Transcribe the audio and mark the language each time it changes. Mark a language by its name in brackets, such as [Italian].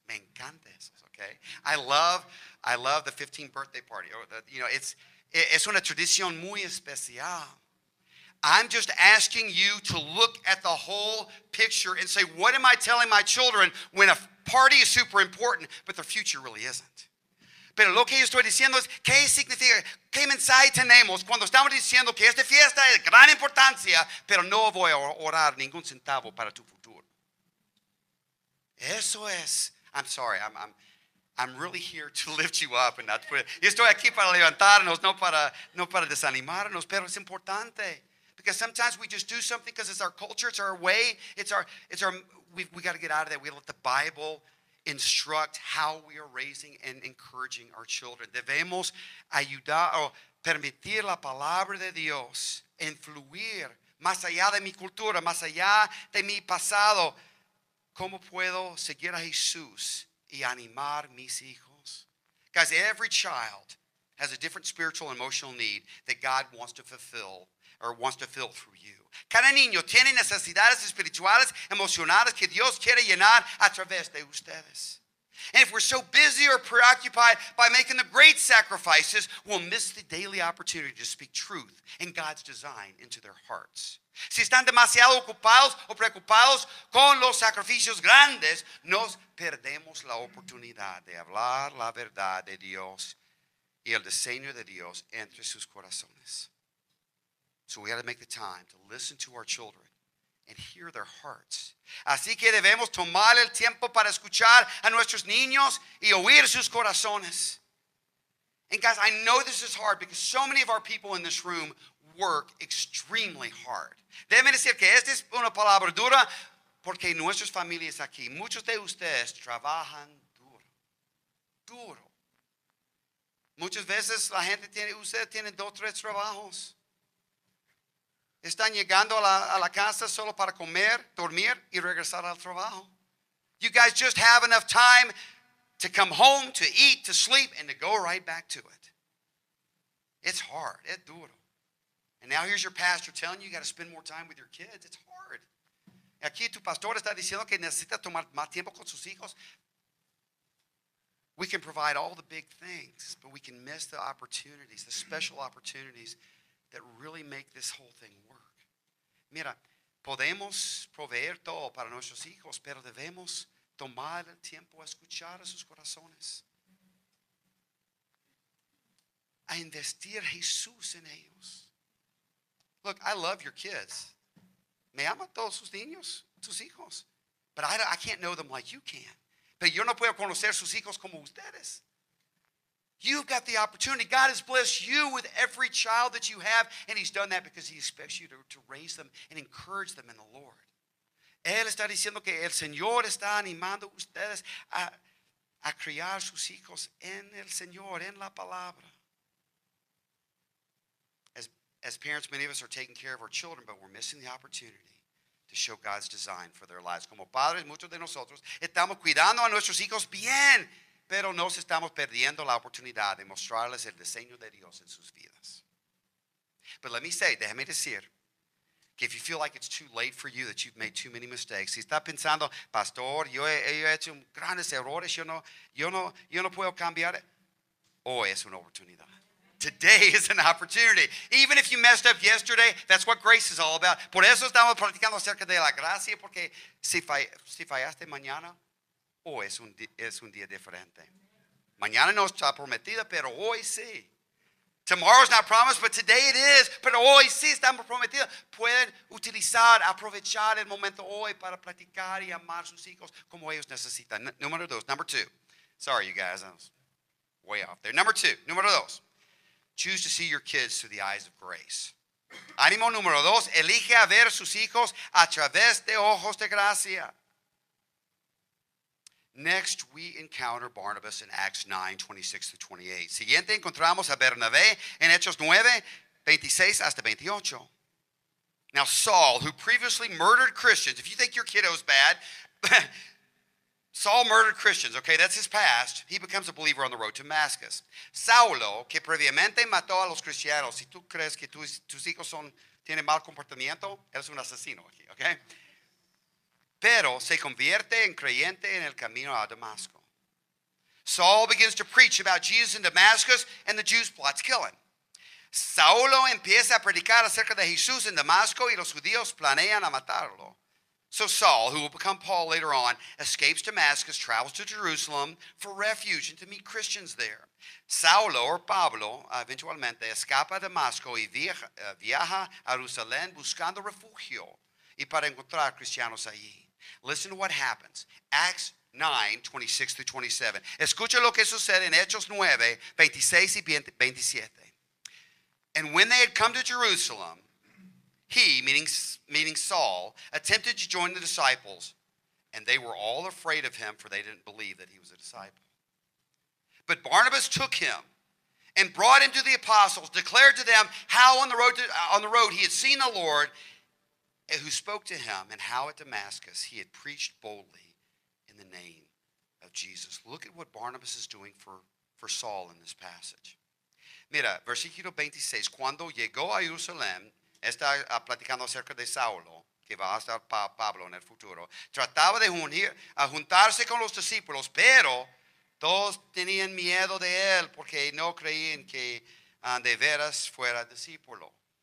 [Spanish] Me encanta eso, [English] okay? I love the 15th birthday party. [Spanish] It's una tradición muy especial. [English] I'm just asking you to look at the whole picture and say, what am I telling my children when a party is super important, but their future really isn't? [Spanish] Pero lo que yo estoy diciendo es, ¿qué significa, qué mensaje tenemos cuando estamos diciendo que esta fiesta es de gran importancia, pero no voy a orar ningún centavo para tu futuro? Eso es, [English] I'm really here to lift you up and not put it. [Spanish] Yo estoy aquí para levantarnos, no para desanimarnos, pero es importante. [English] Because sometimes we just do something because it's our culture, it's our way, we got to get out of that. We let the Bible instruct how we are raising and encouraging our children. [Spanish] Debemos ayudar o permitir la palabra de Dios influir más allá de mi cultura, más allá de mi pasado. ¿Cómo puedo seguir a Jesús y animar mis hijos? [English] Guys, every child has a different spiritual and emotional need that God wants to fulfill or wants to fill through you. [Spanish] Cada niño tiene necesidades espirituales, emocionales que Dios quiere llenar a través de ustedes. [English] And if we're so busy or preoccupied by making the great sacrifices, we'll miss the daily opportunity to speak truth and God's design into their hearts. [Spanish] Si están demasiado ocupados o preocupados con los sacrificios grandes, nos perdemos la oportunidad de hablar la verdad de Dios y el diseño de Dios entre sus corazones. [English] So we got to make the time to listen to our children and hear their hearts. [Spanish] Así que debemos tomar el tiempo para escuchar a nuestros niños y oír sus corazones. [English] And guys, I know this is hard because so many of our people in this room work extremely hard. [Spanish] Déjenme decir que esta es una palabra dura porque nuestras familias aquí, muchos de ustedes trabajan duro, duro. Muchas veces la gente tiene, ustedes tienen dos, tres trabajos. Están llegando a la casa solo para comer, dormir y regresar al trabajo. [English] You guys just have enough time to come home, to eat, to sleep, and to go right back to it. It's hard. [Spanish] Es duro. [English] And now here's your pastor telling you got to spend more time with your kids. It's hard. [Spanish] Aquí tu pastor está diciendo que necesita tomar más tiempo con sus hijos. [English] We can provide all the big things, but we can miss the opportunities, the special opportunities that really make this whole thing work. [Spanish] Mira, podemos proveer todo para nuestros hijos, pero debemos tomar el tiempo a escuchar a sus corazones, a investir Jesús en ellos. [English] Look, I love your kids. [Spanish] Me ama todos sus niños, sus hijos. [English] But I can't know them like you can. [Spanish] Pero yo no puedo conocer sus hijos como ustedes. [English] You've got the opportunity. God has blessed you with every child that you have, and he's done that because he expects you to raise them and encourage them in the Lord. [Spanish] Él está diciendo que el Señor está animando a ustedes a criar sus hijos en el Señor, en la palabra. [English] As parents, many of us are taking care of our children, but we're missing the opportunity to show God's design for their lives. [Spanish] Como padres, muchos de nosotros estamos cuidando a nuestros hijos bien, pero nos estamos perdiendo la oportunidad de mostrarles el diseño de Dios en sus vidas. [English] But let me say, [Spanish] déjame decir, que [English] if you feel like it's too late for you, that you've made too many mistakes, [Spanish] si está pensando, pastor, yo he hecho grandes errores, yo no puedo cambiar, hoy es una oportunidad. [English] Today is an opportunity. Even if you messed up yesterday, that's what grace is all about. [Spanish] Por eso estamos practicando acerca de la gracia, porque si fallaste mañana, hoy es un día diferente. Mañana no está prometida, pero hoy sí. [English] Tomorrow's not promised, but today it is. [Spanish] Pero hoy sí está prometida. Pueden utilizar, aprovechar el momento hoy para platicar y amar sus hijos como ellos necesitan. Número dos, [English] number two. Sorry, you guys, I was way off there. Number two, [Spanish] número dos. [English] Choose to see your kids through the eyes of grace. [Spanish] Ánimo número dos. Elige a ver sus hijos a través de ojos de gracia. [English] Next, we encounter Barnabas in Acts 9:26-28. [Spanish] Siguiente, encontramos a Bernabé en Hechos 9:26-28. [English] Now, Saul, who previously murdered Christians, if you think your kiddo's bad, Saul murdered Christians, okay, that's his past. He becomes a believer on the road to Damascus. [Spanish] Saulo, que previamente mató a los cristianos, si tú crees que tus hijos son, tienen mal comportamiento, eres un asesino aquí, okay? Pero se convierte en creyente en el camino a Damasco. [English] Saul begins to preach about Jesus in Damascus, and the Jews plot to kill him. [Spanish] Saulo empieza a predicar acerca de Jesús en Damasco y los judíos planean a matarlo. [English] So Saul, who will become Paul later on, escapes Damascus, travels to Jerusalem for refuge and to meet Christians there. [Spanish] Saulo, or Pablo, eventualmente escapa a Damasco y viaja a Jerusalén buscando refugio y para encontrar cristianos allí. [English] Listen to what happens. Acts 9:26-27. [Spanish] Escucha lo que sucede en Hechos 9:26-27. [English] And when they had come to Jerusalem, he, meaning Saul, attempted to join the disciples, and they were all afraid of him, for they didn't believe that he was a disciple. But Barnabas took him and brought him to the apostles, declared to them how on the road he had seen the Lord, who spoke to him, and how at Damascus he had preached boldly in the name of Jesus. Look at what Barnabas is doing for Saul in this passage. [Spanish] Mira, versículo 26, cuando llegó a Jerusalén, está platicando acerca de Saulo, que va a estar Pablo en el futuro, trataba de juntarse con los discípulos, pero todos tenían miedo de él porque no creían que de veras fuera discípulo.